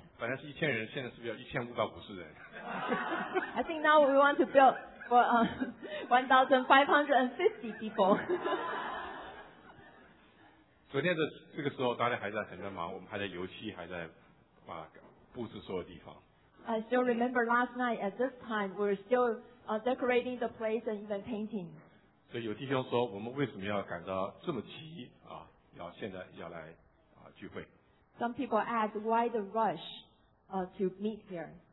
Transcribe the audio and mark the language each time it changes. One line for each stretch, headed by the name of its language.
Chinese: 本来是1000人，现在是不是要1550人
English: ？I think now we want to build for 1,550 people.
Chinese: 昨天的这个时候，大家还在很忙，我们还在油漆，还在把布置所有地方。
English: I still remember last night at this time we're still decorating the place and even painting.
Chinese: 所以有弟兄说我们为什么要赶到这么急啊？要现在要来啊聚会。
English: Some people ask why the rush to meet here.